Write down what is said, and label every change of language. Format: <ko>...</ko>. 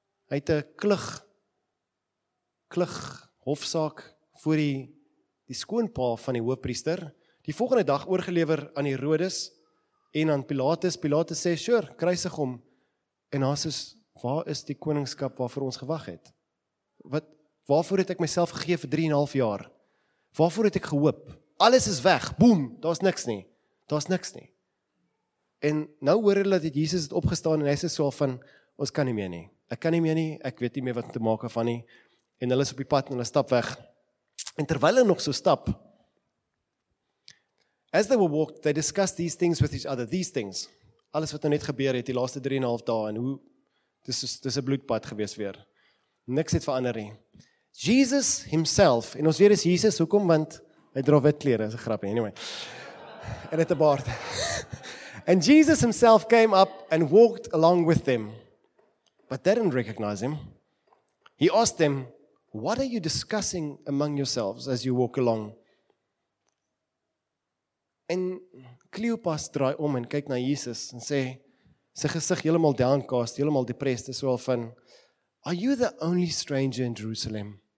<af>Hy het 'n klug hofsaak voor die skoonpa van die hoofpriester, die volgende dag oorgelewer aan Herodes en aan Pilatus. Pilatus sê, sure, kruisig hom. En hy sê, waar is die koningskap waarvoor ons gewag het? Waarvoor het ek myself gegee vir 3.5 jaar? Waarvoor het ek gehoop? Alles is weg, boom, daar is niks nie. En nou hoor hulle dat Jesus het opgestaan en hy sê so van, ons kan nie meer nie. Ek weet nie meer wat te maak van nie. En hulle is op die pad en hulle stap weg. En terwyl hulle nog so stap,</af> <en>as they were walked, they discussed these things with each other, these things.</en> <af>Alles wat nou net gebeur het, die laaste 3.5 dae, en hoe, dis een bloedpad gewees weer. Niks het verander nie. Jesus himself, en ons weer is Jesus, hoekom? Want hy dra wit klere, is een grap, anyway. En het 'n baard.</af> <en>And Jesus himself came up and walked along with them. But they didn't recognize him. He asked them, what are you discussing among yourselves as you walk along?</en> <af>En Kleopas draai om en kyk na Jesus en sê, sy gesig helemaal downcast, helemaal depressed, is wel van,</af> <en>are you the only stranger in Jerusalem?</en>